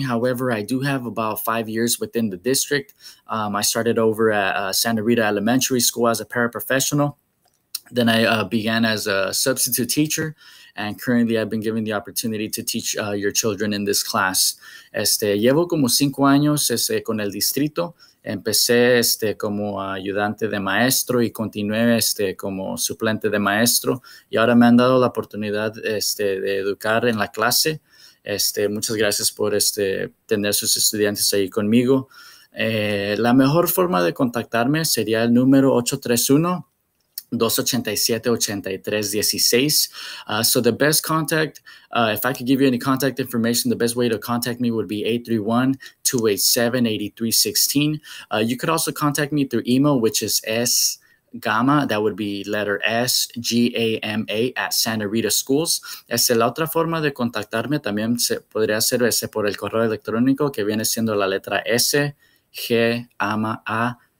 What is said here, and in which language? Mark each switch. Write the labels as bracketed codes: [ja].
[en] However, I do have about 5 years within the district. I started over at Santa Rita Elementary School as a paraprofessional. Then I began as a substitute teacher. And currently, I've been given the opportunity to teach your children in this class. [es] Llevo como 5 años con el distrito. Empecé como ayudante de maestro y continué como suplente de maestro. Y ahora me han dado la oportunidad de educar en la clase. Muchas gracias por tener sus estudiantes ahí conmigo. La mejor forma de contactarme sería el número 831-287-8316. [en] So the best contact, if I could give you any contact information, the best way to contact me would be 831-287-8316. You could also contact me through email, which is sgama, that would be letter S, G-A-M-A, at Santa Rita Schools. [es] La otra forma de contactarme también podría ser por el correo electrónico que viene siendo la letra S-G-A-M-A.